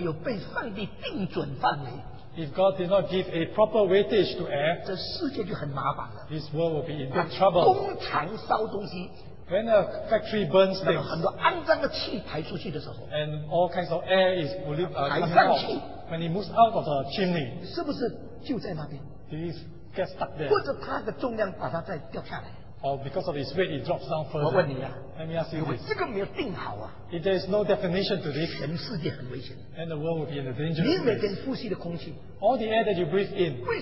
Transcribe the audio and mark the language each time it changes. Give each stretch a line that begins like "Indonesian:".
Chinese: 所以，如果空气的重量没有被上帝定准范围。
English: If God did not give a proper weightage to air, this world will be in big trouble.
Chinese: 工厂烧东西,
English: when a factory burns things, and all kinds of air is coming out, when it moves out of the chimney,
Chinese: 是不是就在那边?
English: It is get stuck there.
Chinese: 或者它的重量把它再掉下来?
English: Or because of its weight, it drops down further.
Chinese: 我问你啊,
English: let me ask you this.
Chinese: 如果这个没有定好啊,
English: if there is no definition to this,
Chinese: 全世界很危险,
English: then the world will be in a dangerous place.
Chinese: 你每天呼吸的空气,
English: all the air that you breathe in,